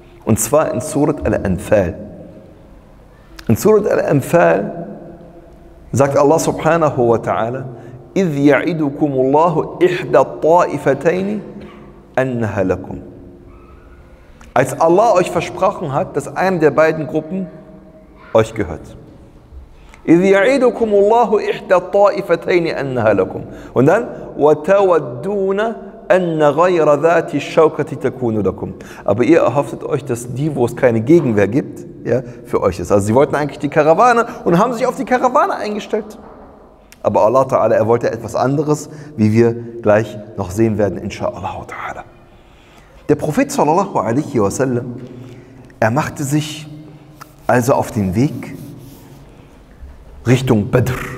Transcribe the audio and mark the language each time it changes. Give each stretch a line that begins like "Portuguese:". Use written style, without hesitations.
German: Und zwar in Surat Al-Anfal. In Surat Al-Anfal sagt Allah subhanahu wa ta'ala,
Arabic: إِذْ يَعِدُكُمُ اللَّهُ إِحْدَى الطَّائِفَتَيْنِ أَنَّهَا لَكُمْ.
German: Als Allah euch versprochen hat, dass einem der beiden Gruppen euch gehört.
Arabic: إِذْ يَعِدُكُمُ اللَّهُ إِحْدَى الطَّائِفَتَيْنِ أَنَّهَا لَكُمْ.
German: Und dann
Arabic: وَتَوَدُّونَ أَنَّ غَيْرَ ذَاتِ الشَّوْكَةِ تَكُونُ لَكُمْ.
German: Aber ihr erhofftet euch, dass die, wo es keine Gegenwehr gibt, ja, für euch ist. Also sie wollten eigentlich die Karawane und haben sich auf die Karawane eingestellt. Aber Allah Ta'ala, er wollte etwas anderes, wie wir gleich noch sehen werden, insha'Allah Ta'ala. Der Prophet sallallahu alaihi wasallam, er machte sich also auf den Weg Richtung Badr.